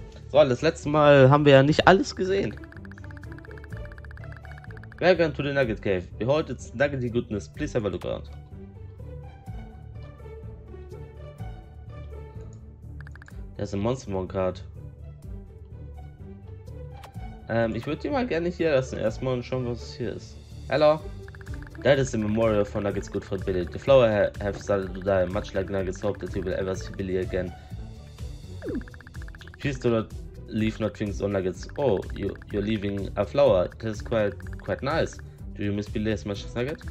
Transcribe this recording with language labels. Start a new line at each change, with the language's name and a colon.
German: So, das letzte Mal haben wir ja nicht alles gesehen.
English: Welcome to the Nugget Cave. Behold, it's Nuggety Goodness. Please have a look around. There's
German: Das ist ein Monster-Monkart. Ich würde die mal gerne hier lassen. Erstmal und schauen, was hier ist.
English: Hello. That is the memorial for Nuggets good friend Billy. The flower have started to die. Much like Nuggets hope that he will ever see Billy again. Please do not leave not things on Nuggets. Oh, you're leaving a flower. That is quite nice. Do you miss Billy as much as Nugget?